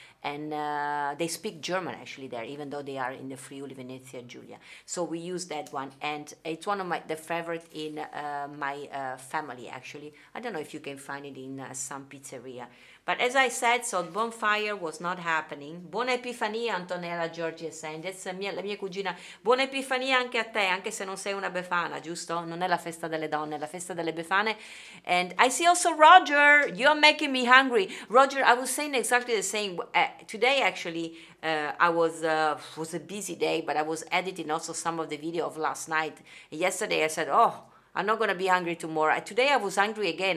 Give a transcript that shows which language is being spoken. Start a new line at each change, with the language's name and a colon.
English: And they speak German actually there, even though they are in the Friuli Venezia Giulia. So we use that one, and it's one of the favorite in my family actually. I don't know if you can find it in some pizzeria. But as I said, so bonfire was not happening.
Italian: Buona Epifania, Antonella Giorgi Essendez, la mia cugina. Buona Epifania anche a te, anche se non sei una befana, giusto? Non è la festa delle donne, è la festa delle befane.
English: And I see also Roger, you're making me hungry. Roger, I was saying exactly the same. Today, actually, was a busy day, but I was editing also some of the video of last night. Yesterday, I said, oh, I'm not gonna be hungry tomorrow. Today I was hungry again.